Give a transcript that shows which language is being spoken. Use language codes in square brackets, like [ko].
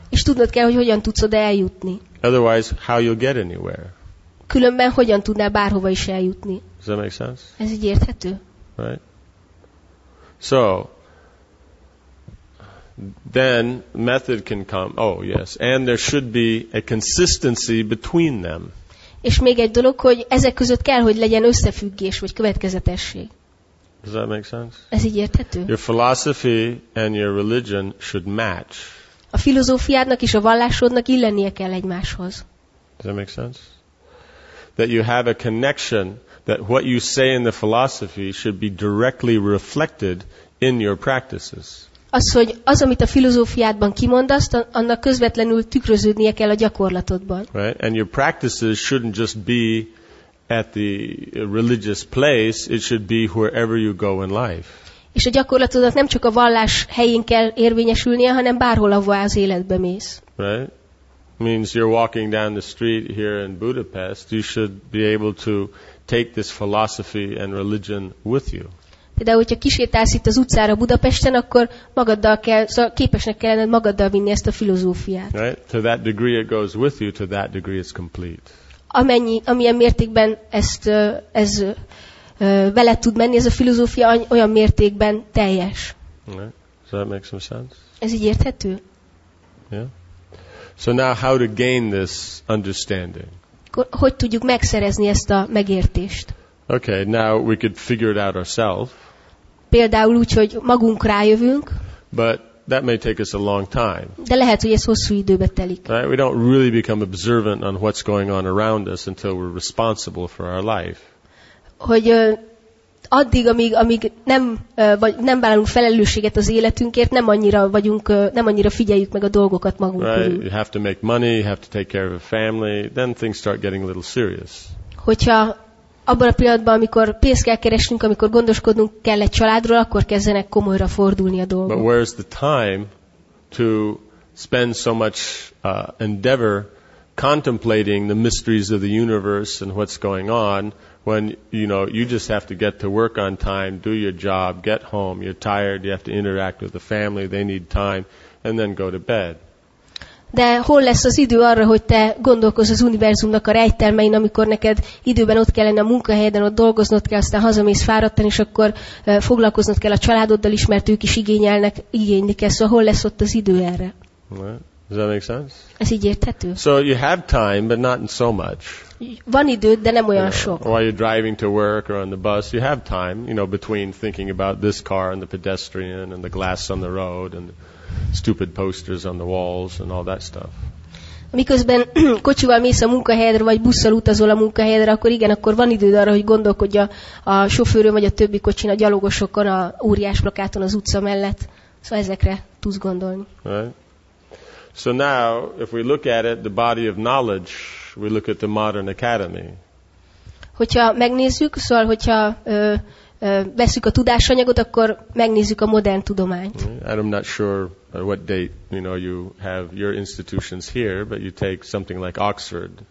[hu] És tudnod kell, hogy hogyan tudsz oda eljutni. [en] Otherwise, how you'll get anywhere. [hu] Különben hogyan tudnál bárhova is eljutni. [en] Does that make sense? [hu] Ez így érthető? [en] Right. So, then method can come. Oh, yes. And there should be a consistency between them. [hu] És még egy dolog, hogy ezek között kell, hogy legyen összefüggés, vagy következetesség. [en] Does that make sense? [hu] Ez így érthető? [en] Your philosophy and your religion should match. [hu] A filozófiádnak és a vallásodnak illenie kell egymáshoz. [en] Does that make sense? That you have a connection, that what you say in the philosophy should be directly reflected in your practices. [hu] Az, hogy az, amit a filozófiádban kimondasz, annak közvetlenül tükröződnie kell a gyakorlatodban. [en] Right? And your practices shouldn't just be at the religious place, it should be wherever you go in life. [hu] És a gyakorlatodat nem csak a vallás helyén kell érvényesülnie, hanem bárhol, ahová az életbe mész. [en] Right? Means you're walking down the street here in Budapest, you should be able to take this philosophy and religion with you. [hu] De hogyha kisétálsz itt az utcára Budapesten, akkor magaddal kell, szóval képesnek kellene magaddal vinni ezt a filozófiát. [en] Right? To that degree it goes with you, to that degree it's complete. [hu] Amennyi, amilyen mértékben ezt, ez vele tud menni, ez a filozófia olyan mértékben teljes. [en] Right. Does that make some sense? [hu] Ez így érthető? [en] Yeah. So now how to gain this understanding? [hu] Hogy tudjuk megszerezni ezt a megértést? [en] Okay, now we could figure it out ourselves. [hu] Például úgy, hogy magunk rájövünk. [en] But that may take us a long time. [hu] De lehet, hogy ez hosszú időbe telik. [en] Right? We don't really become observant on what's going on around us until we're responsible for our life. [hu] Hogy addig, amíg nem vagy nem vállalunk felelősséget az életünkért, nem annyira vagyunk, nem annyira figyeljük meg a dolgokat magunk körül. [en] Right? You have to make money, you have to take care of a family, then things start getting a little serious. [hu] Hogyha abban a pillanatban, amikor pénzt kell keresnünk, amikor gondoskodnunk kell egy családról, akkor kezdenek komolyra fordulni a dolgok. [en] But where's the time to spend so much endeavor contemplating the mysteries of the universe and what's going on when, you know, you just have to get to work on time, do your job, get home, you're tired, you have to interact with the family, they need time, and then go to bed. [hu] De hol lesz az idő arra, hogy te gondolkozz az univerzumnak a rejtelmein, amikor neked időben ott kellene a munkahelyeden, ott dolgoznod kell, aztán hazamész fáradtan, és akkor foglalkoznod kell a családoddal is, mert ők is igényelnek, igényli kell. Szóval hol lesz ott az idő erre? [en] Does that make sense? [hu] Ez így érthető. [en] So you have time, but not so much. [hu] Van időd, de nem olyan sok. [en] Or while you're driving to work or on the bus, you have time, you know, between thinking about this car and the pedestrian and the glass on the road and stupid posters on the walls and all that stuff. [hu] Miközben kocsival mész a munkahelyedre, vagy busszal utazol a munkahelyedre, akkor igen, akkor van időd arra, hogy gondolkodj a sofőrön, vagy a többi kocsin, a gyalogosokon, a óriás plakáton az utca mellett. Szóval ezekre tudsz gondolni. [en] Right. So now, if we look at it, the body of knowledge, we look at the modern academy. [hu] Hogyha megnézzük, szóval hogyha veszük a tudásanyagot, akkor megnézzük a modern tudományt. [en] I'm not sure what date, you know, you have your institutions here, but you take something like Oxford.